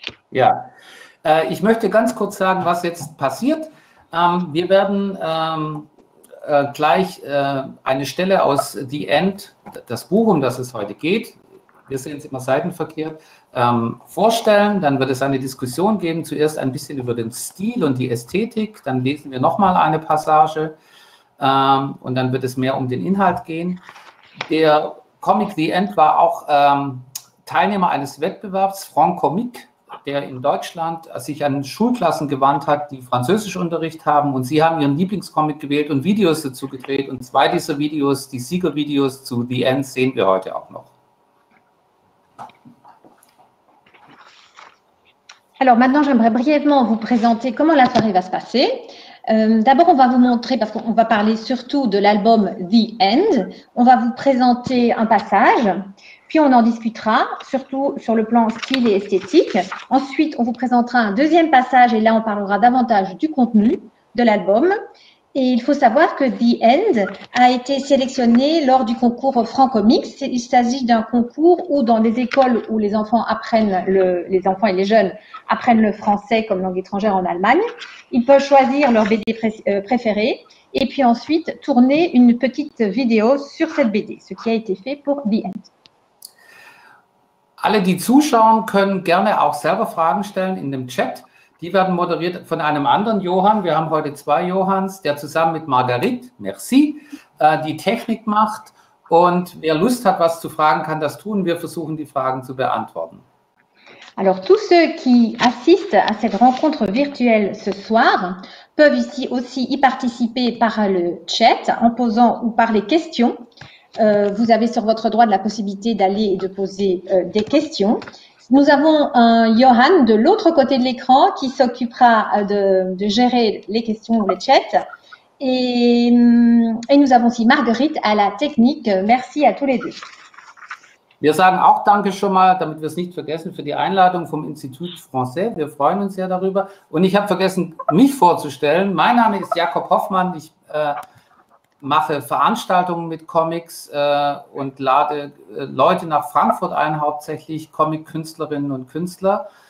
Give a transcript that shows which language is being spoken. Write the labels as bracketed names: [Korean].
[German] Ja, ich möchte ganz kurz sagen, was jetzt passiert. Wir werden gleich eine Stelle aus The End, das Buch, um das es heute geht, wir sehen es immer seitenverkehrt, vorstellen, dann wird es eine Diskussion geben, zuerst ein bisschen über den Stil und die Ästhetik, dann lesen wir nochmal eine Passage und dann wird es mehr um den Inhalt gehen. Der Comic The End war auch Teilnehmer eines Wettbewerbs, Franc Comic, der in Deutschland sich an Schulklassen gewandt hat, die Französischunterricht haben und sie haben ihren Lieblingscomic gewählt und Videos dazu gedreht und zwei dieser Videos, die Siegervideos zu The End, sehen wir heute auch noch. [French] Alors maintenant, j'aimerais brièvement vous présenter comment la soirée va se passer. D'abord, on va vous montrer, parce qu'on va parler surtout de l'album The End, on va vous présenter un passage, puis on en discutera, surtout sur le plan style et esthétique. Ensuite, on vous présentera un deuxième passage, et là, on parlera davantage du contenu de l'album. Et il faut savoir que The End a été sélectionné lors du concours Franc Comics. Il s'agit d'un concours où, dans des écoles où les enfants apprennent les enfants et les jeunes apprennent le français comme langue étrangère en Allemagne, ils peuvent choisir leur BD préférée et puis ensuite tourner une petite vidéo sur cette BD, ce qui a été fait pour The End. [German] Alle, die zuschauen, können gerne auch selber Fragen stellen in dem Chat. Die werden moderiert von einem anderen Johann. Wir haben heute zwei Johanns, der zusammen mit Marguerite, merci, die Technik macht. Und wer Lust hat, was zu fragen, kann das tun. Wir versuchen, die Fragen zu beantworten. [French] Alors, tous ceux qui assistent à cette rencontre virtuelle ce soir peuvent ici aussi y participer par le chat, en posant ou par les questions. Vous avez sur votre droite la possibilité d'aller et de poser des questions. Nous avons un Johan de l'autre côté de l'écran qui s'occupera de gérer les questions ou le chat. Et nous avons aussi Marguerite à la technique. Merci à tous les deux. [German] Wir sagen auch danke schon mal, damit wir es nicht vergessen, für die Einladung vom Institut Français. Wir freuen uns sehr darüber. Und ich habe vergessen, mich vorzustellen. Mein Name ist Jakob Hoffmann. Ich mache Veranstaltungen mit Comics und lade Leute nach Frankfurt ein, hauptsächlich Comic-Künstlerinnen und Künstler.